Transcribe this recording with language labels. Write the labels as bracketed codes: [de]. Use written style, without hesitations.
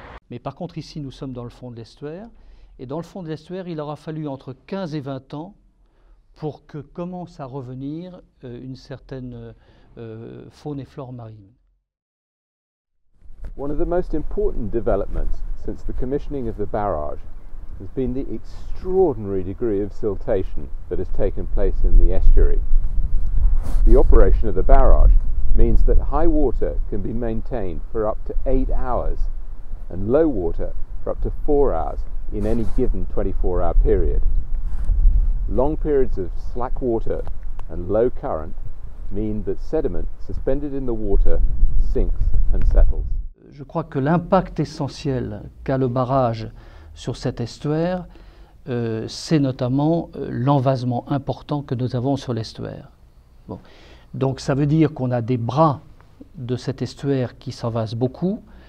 [fr] Mais par contre ici nous sommes dans le fond de l'estuaire et dans le fond de l'estuaire il aura fallu entre 15 et 20 ans pour que commence à revenir une certaine faune et flore marine. [en] One of the most important developments since the commissioning of the barrage has been the extraordinary degree of siltation that has taken place in the estuary. The operation of the barrage means that high water can be maintained for up to 8 hours and low water for up to 4 hours in any given 24-hour period. Long periods of slack water and low current mean that sediment suspended in the water sinks and settles. [fr] Je crois que l'impact essentiel qu'a le barrage sur cet estuaire, c'est notamment l'envasement important que nous avons sur l'estuaire. Bon. Donc ça veut dire qu'on a des bras de cet estuaire qui s'envasent beaucoup.